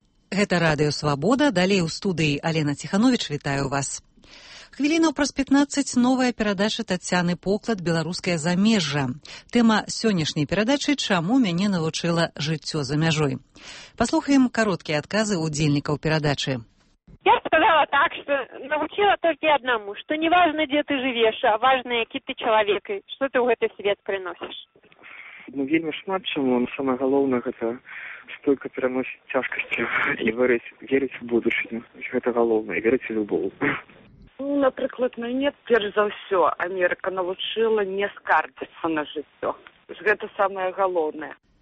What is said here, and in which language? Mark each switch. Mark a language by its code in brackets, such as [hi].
[be] Гэта радыё Свабода, далей у студыі Алена Ціхановіч, вітаю вас. Хвіліна праз 15 новая перадача Таццяны Поклад «Беларуская замежжа». Тэма сённяшняй перадачы «Чаму мяне навучыла жыццё за мяжой». Паслухаем кароткія адказы ўдзельнікаў перадачы. [ru] Я сказала так, что научила только одному, что не важно, где ты живешь, а важно, [be] які ты чалавек, [ru] что ты [be] ў гэты свет прыносіш. Ну, вельмі шмат чаму, но самае галоўнае гэта столько пераносіць цяжкасці і верыць у будучыню. Гэта галоўнае, верыць у любоў. Напрыклад, мяне перш за ўсё Амерыка навучыла не скардзіцца на жыццё. Гэта самае галоўнае.